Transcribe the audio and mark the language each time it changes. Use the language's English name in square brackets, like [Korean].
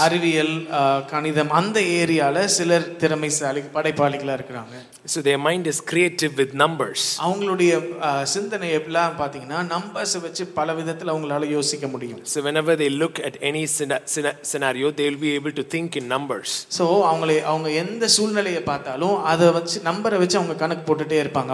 [Tamil] அறிவியல், கணிதம் அந்த ஏரியால சிலர் திறமைசாலி படைப்பாளிகளா இருக்காங்க. [English] So their mind is creative with numbers. [Tamil] அவங்களுடைய சிந்தனை எல்லாம் பாத்தீங்கன்னா நம்பர்ஸ் வச்சு பல விதத்துல அவங்களால யோசிக்க முடியும். [English] So whenever they look at any scenario, they'll be able to think in numbers. [Tamil] So அவங்களே அவங்க எந்த சூழ்நிலையை பார்த்தாலும் அத வச்சு நம்பரை வச்சு அவங்க கணக்கு போட்டுட்டே இருப்பாங்க.